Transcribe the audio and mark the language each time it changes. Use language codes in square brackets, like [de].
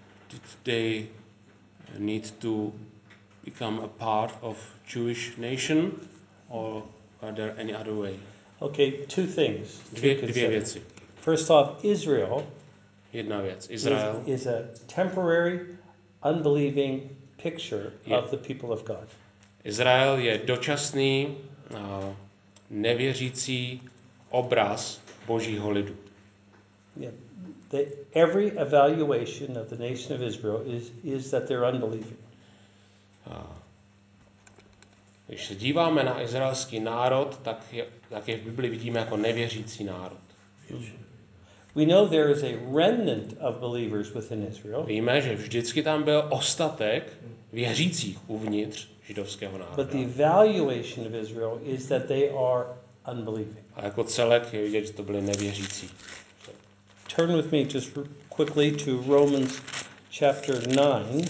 [en] Did they need to become a part of Jewish nation, or are there any other way? Okay, two things. [cs] Dvě věci. [en] First off, Israel. [cs] Jedna věc. Israel [en] is a temporary, unbelieving picture of the people of God. [cs] Izrael je dočasný, nevěřící obraz Božího lidu. [en] Yeah. Every evaluation of the nation of Israel is that they're unbelieving. [cs] Když se díváme na izraelský národ, tak je v Biblii vidíme jako nevěřící národ. [en] We know there is a remnant of believers within Israel. [cs] Víme, že vždycky tam byl ostatek věřících uvnitř židovského národa. [en] But the evaluation of Israel is that they are unbelieving. [cs] A jako celek je vidět, že to byli nevěřící. [en] Turn with me just quickly to Romans chapter 9.